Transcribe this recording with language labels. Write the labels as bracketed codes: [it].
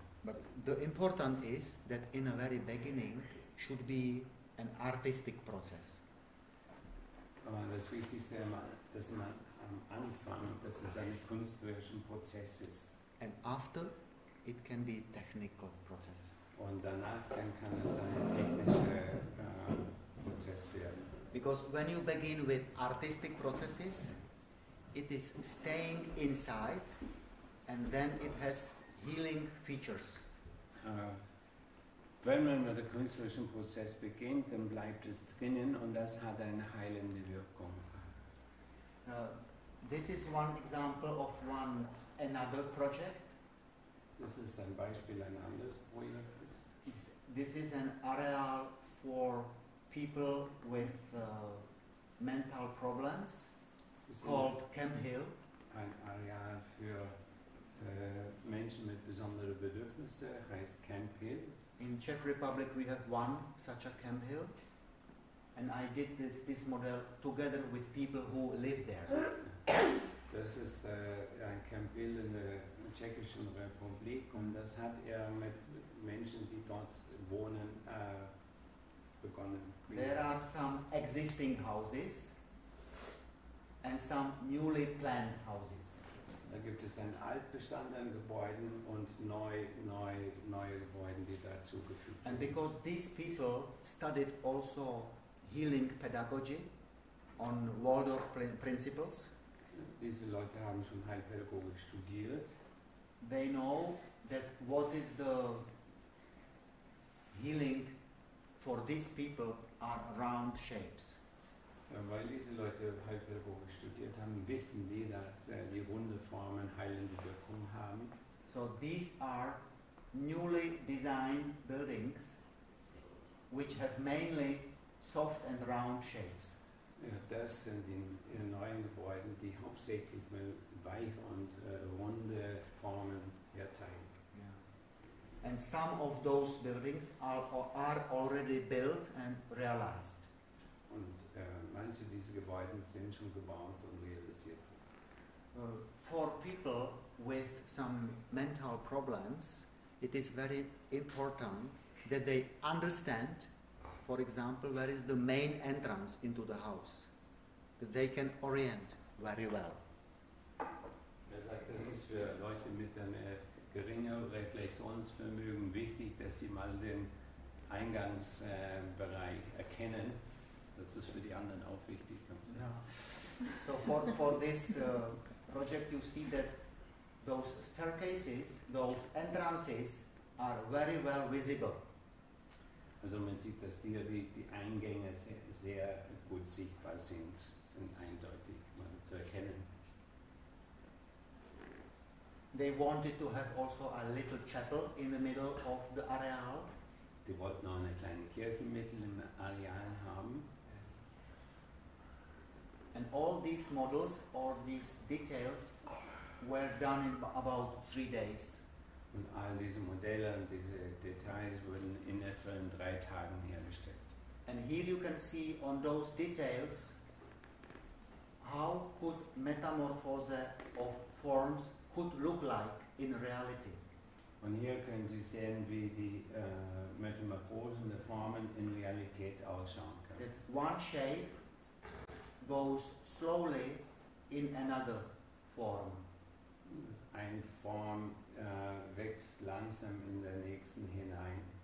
[en] But the important is that in a very beginning should be an artistic process. [de] Aber das Wichtigste ist, dass man am Anfang, dass es ein künstlerischer Prozess ist. [en] And after, it can be technical process. [de] Und danach dann kann es ein technischer Prozess werden. [en] Because when you begin with artistic processes, it is staying inside and then it has healing features. [de] Wenn man mit dem künstlerischen Prozess beginnt, dann bleibt es drinnen und das hat eine heilende Wirkung. [en] This is one example of another project. [de] Das ist ein Beispiel, ein anderes Projekt. [en] This is an area for people with mental problems called Camp Hill. [de] Ein Area für Menschen mit besonderen Bedürfnissen heißt Camp Hill. [en] In Czech Republic we have one such a Camp Hill. And I did this model together with people who live there. [de] Das ist ein Camp Hill in der Tschechischen Republik und das hat mit Menschen, die dort wohnen, begonnen. [en] There are some existing houses and some newly planned houses. [de] Da gibt es einen Altbestand an Gebäuden und neue Gebäude, die dazugefügt werden. [en] And because these people studied also healing pedagogy on Waldorf principles. [de] Diese Leute haben schon Heilpädagogik studiert. [en] They know that what is the healing for these people are round shapes. [de] Weil diese Leute Heilpädagogik studiert haben, wissen die, dass die runde Formen heilende Wirkung haben. [en] So these are newly designed buildings which have mainly soft and round shapes. [de] Ja, das sind die neuen Gebäude, die hauptsächlich mit weich und runde Formen herzeigen. [en] Yeah. And some of those buildings are already built and realized. [de] Und manche dieser Gebäude sind schon gebaut und realisiert. [en] For people with some mental problems, it is very important that they understand, for example, where is the main entrance into the house, that they can orient very well. [de] Er sagt, das ist für Leute mit einem geringen Reflexionsvermögen wichtig, dass sie mal den Eingangsbereich erkennen. Das ist für die anderen auch wichtig. [en] Yeah. So for this project you see that those staircases, those entrances are very well visible. [de] Also man sieht, dass hier die Eingänge sehr gut sichtbar sind eindeutig mal zu erkennen. [en] They wanted to have also a little chapel in the middle of the areal. [de] Die wollten auch eine kleine Kirche mitten im Areal haben. [en] And all these models or these details were done in about 3 days. [de] Und all diese Modelle und diese Details wurden in etwa in 3 Tagen hergestellt. [en] And here you can see on those details how could metamorphose of forms could look like in reality. [de] Und hier können Sie sehen, wie die Metamorphosen der Formen in Realität ausschauen können. [en] That one shape goes slowly in another form. [de] Eine Form wächst langsam in der nächsten hinein.